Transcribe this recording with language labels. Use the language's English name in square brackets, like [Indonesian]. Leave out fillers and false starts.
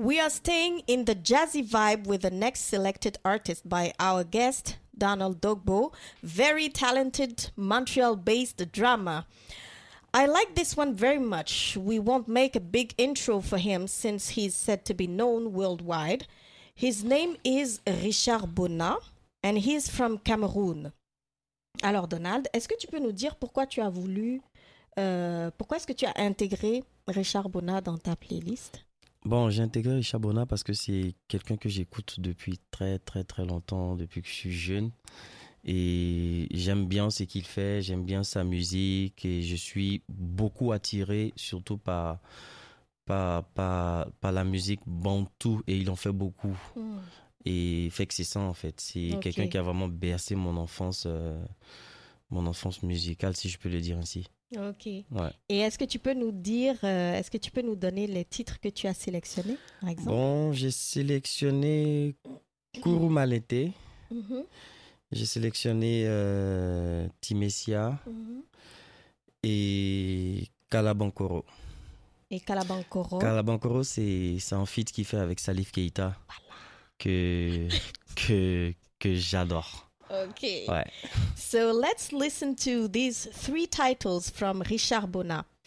[English] staying in the jazzy vibe with the next selected artist by our guest, Donald Dogbo, very talented Montreal-based drummer. I like this one very much. We won't make a big intro for him since he's said to be known worldwide. His name is Richard Bonnat and he's from Cameroon. [French] Alors Donald, est-ce que tu peux nous dire pourquoi tu as voulu, pourquoi est-ce que tu as intégré Richard Bonnat dans ta playlist? Bon, j'ai intégré Richard Bonnat parce que c'est quelqu'un que j'écoute depuis très très très longtemps, depuis que je suis jeune. Et j'aime bien ce qu'il fait, j'aime bien sa musique et je suis beaucoup attiré surtout par la musique bantoue et il en fait beaucoup. Et fait que c'est ça en fait, c'est quelqu'un qui a vraiment bercé mon enfance musicale si je peux le dire ainsi. Et est-ce que tu peux nous dire, est-ce que tu peux nous donner les titres que tu as sélectionnés, par exemple? Bon, j'ai sélectionné Kourou Malété. J'ai sélectionné Timesia et Kalabankoro. Et Kalabankoro. Kalabankoro, c'est un feat qu'il fait avec Salif Keita que j'adore. [English] So let's listen to these three titles from Richard Bonnat.